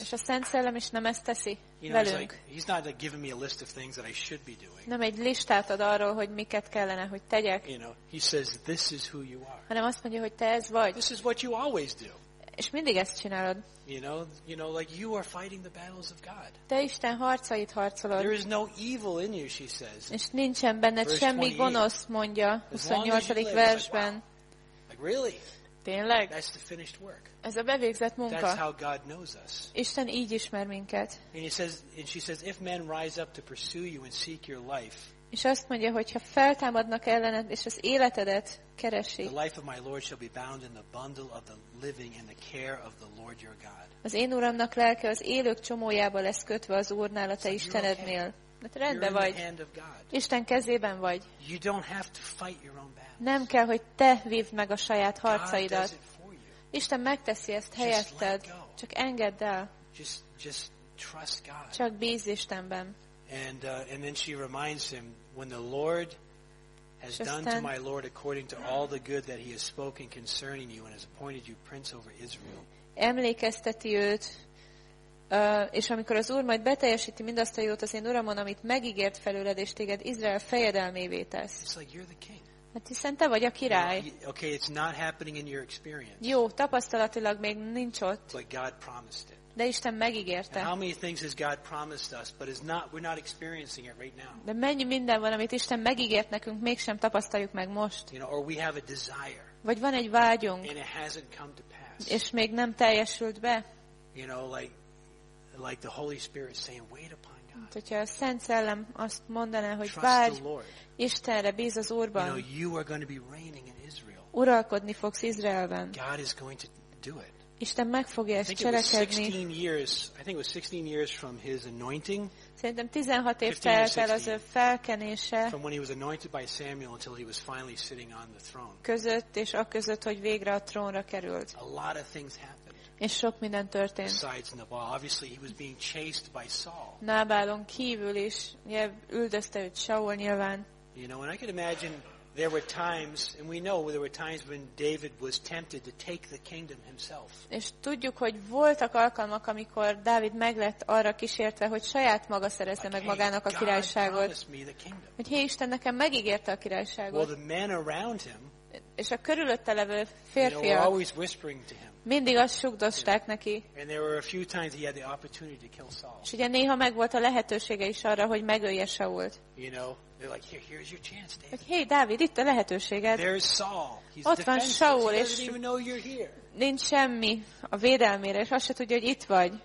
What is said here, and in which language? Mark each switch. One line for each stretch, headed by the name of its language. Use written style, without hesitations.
Hungarian: És a Szent Szellem is nem ezt teszi velünk.
English: He's not like giving me a list of things that I should be doing.
Hungarian: Nem egy listát ad arról, hogy miket kellene, hogy tegyek.
English: You know, he says this is who you are.
Hungarian: Hanem azt mondja, hogy te ez vagy.
English: This is what you always do.
Hungarian: És mindig ezt csinálod.
English: You know, like you are fighting the battles of God.
Hungarian: Te Isten harcait harcolod.
English: There is no evil in you, she says.
Hungarian: És nincsen benned semmi gonosz, mondja 28. versben.
English: Like really?
Hungarian: Tényleg?
English: That's the finished work.
Hungarian: Ez a bevégzett munka.
English: That's how God knows us.
Hungarian: Isten így ismer minket.
English: And she says, if men rise up to pursue you and seek your life.
Hungarian: És azt mondja, hogy ha feltámadnak ellened és az életedet keresi.
English: The life of my Lord shall be bound in the bundle of the living in the care of the Lord your God.
Hungarian: Az én Uramnak lelke az élők csomójába lesz kötve az Úrnál, a te Istenednél. Mert rendben vagy. Isten kezében vagy.
English: You don't have to fight your own battles.
Hungarian: Nem kell, hogy te vívd meg a saját harcaidat. Isten megteszi ezt helyetted. Csak engedd el.
English: Just trust God.
Hungarian: Csak bízz Istenben.
English: And then she reminds him, when the Lord has done to my Lord according to all the good that he has spoken concerning you and has appointed you prince over Israel.
Hungarian: Emlékezteti őt, és amikor az Úr majd beteljesíti mindazt a jót az én Uramon, amit megígért felőled, és téged Izrael fejedelmévé tesz.
English: It's like you're the king.
Hungarian: Hát hiszen te vagy a király.
English: Okay, it's not happening in your experience.
Hungarian: Jó, tapasztalatilag még nincs ott.
English: But God promised it.
Hungarian: De Isten megígérte.
English: And how many things has God promised us, but is not, we're not experiencing it right now.
Hungarian: De mennyi minden van, amit Isten megígért nekünk, mégsem tapasztaljuk meg most.
English: You know, or we have a desire.
Hungarian: Vagy van egy vágyunk.
English: And it hasn't come to pass.
Hungarian: És még nem teljesült be.
English: You know, like the Holy Spirit saying, wait upon God.
Hungarian: Hogyha a Szent Szellem azt mondaná, hogy várj Istenre, bíz az Úrban.
English: You know, you are going to be reigning in Israel.
Hungarian: Uralkodni fogsz Izraelben.
English: God is going to do it.
Hungarian: Isten meg fogja ezt cselekedni.
English: I think it was 16 years from his anointing.
Hungarian: Szerintem 16 év telt el az ő felkenése.
English: From when he was anointed by Samuel until he was finally sitting on the throne.
Hungarian: Között és a között, hogy végre a trónra került.
English: A lot of things happened.
Hungarian: És sok minden történt.
English: Besides Nabal, obviously he was being chased by Saul.
Hungarian: Nábálon kívül is, üldözte őt Saul nyilván.
English: You know, and I can imagine there were times, and we know there were times when David was tempted to take the kingdom himself.
Hungarian: És tudjuk, hogy voltak alkalmak, amikor Dávid meglett arra kísértve, hogy saját maga szerezze meg magának a királyságot. Hogy hé, Isten nekem megígérte a királyságot.
English: Well, the men around him,
Hungarian: és a körülötte levő férfiak,
English: you know, always whispering to him.
Hungarian: Mindig azt sugdosták neki.
English: And there were a few times he had the opportunity to kill Saul.
Hungarian: És ugye néha megvolt a lehetősége is arra, hogy megölje Sault.
English: You know, they're like, here's your chance, David.
Hungarian: Hey, Dávid, itt a lehetőséged.
English: There's Saul. He's
Hungarian: ott van Saul, és
English: doesn't even know you're here.
Hungarian: Nincs semmi a védelmére, és azt se tudja, hogy itt vagy.